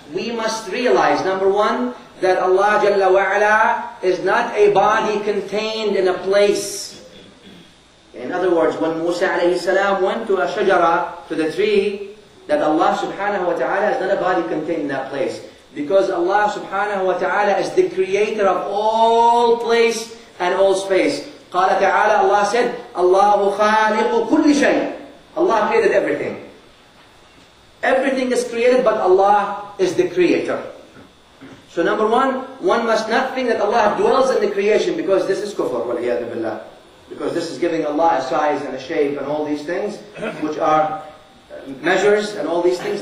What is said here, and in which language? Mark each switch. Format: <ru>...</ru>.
<en>We must realize, number one, that Allah jalla wa ala is not a body contained in a place. In other words, when Musa alayhi salam went to a shajara, to the tree, that Allah subhanahu wa ta'ala is not a body contained in that place. Because Allah subhanahu wa ta'ala is the creator of all place and all space.</en> <ar>قال تعالى,</ar> <en>Allah said,</en> <ar>الله خالق كل شيء.</ar> <en>Allah created everything. Everything is created, but Allah is the creator. So number one, one must not think that Allah dwells in the creation, because this is kufr, waliyadu billah. Because this is giving Allah a size and a shape and all these things, which are measures and all these things.</en>